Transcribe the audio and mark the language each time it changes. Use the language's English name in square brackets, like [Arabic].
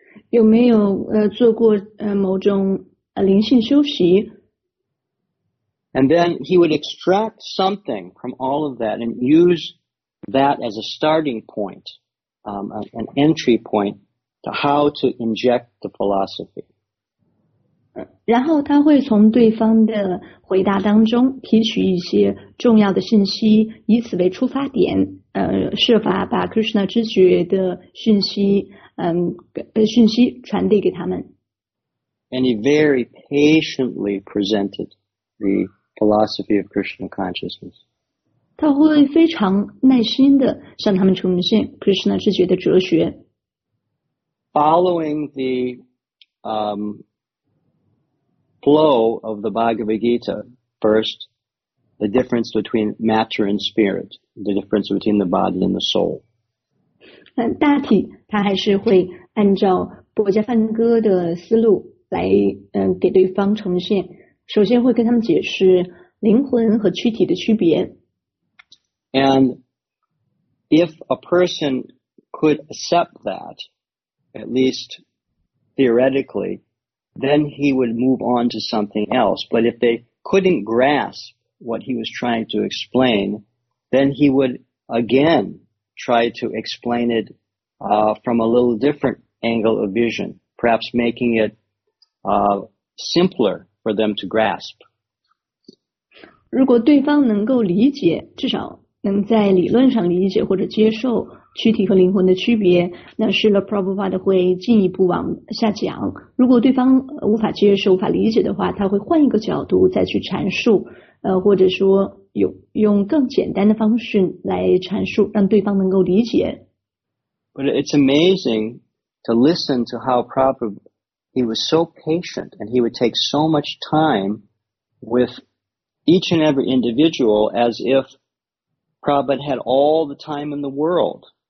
[Chinese] 有没有做过某种灵性修习。 [English] And then he would extract something from all of that and use that as a starting point, an entry point to how to inject the philosophy. [Chinese] 然后他会从对方的回答当中提取一些重要的信息，以此为出发点，设法把 Krishna 知觉的信息传递给他们。 [English] And he very patiently presented the philosophy of Krishna consciousness. [Chinese] 他会非常耐心地向他们呈现 Krishna 知觉的哲学。 [English] Following the flow of the Bhagavad Gita, first, the difference between matter and spirit, the difference between the body and the soul. [Chinese] 大体他还是会按照薄伽梵歌的思路来给对方呈现，首先会跟他们解释灵魂和躯体的区别。 [English] And if a person could accept that, at least theoretically, then he would move on to something else. But if they couldn't grasp what he was trying to explain, then he would again try to explain it from a little different angle of vision, perhaps making it simpler for them to grasp. [Chinese] 如果对方能够理解，至少能在理论上理解或者接受躯体和灵魂的区别，那Srila Prabhupada会进一步往下讲。如果对方无法接受、无法理解的话，他会换一个角度再去阐述，或者说用更简单的方式来阐述，让对方能够理解。 [English] But it's amazing to listen to how Prabhupada. He was so patient, and he would take so much time with each and every individual as if Prabhupada had all the time in the world.